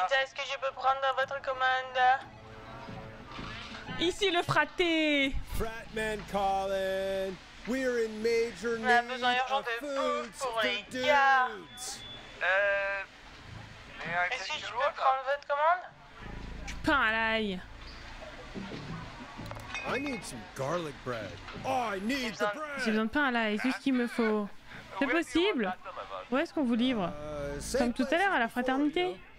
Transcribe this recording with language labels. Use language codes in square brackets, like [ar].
[fr] Pizza, est-ce que je peux prendre votre commande? Ici le fraté! [en] Fratman calling! We're in major need of food for the dudes! May I [fr] Est-ce que je peux prendre votre commande? Du pain à l'ail! [en] I need some garlic bread! Oh, I need the bread! [fr] J'ai besoin de pain à l'ail, c'est tout ce qu'il me faut. C'est possible? Où est-ce qu'on vous livre? Comme tout à l'heure, à la fraternité?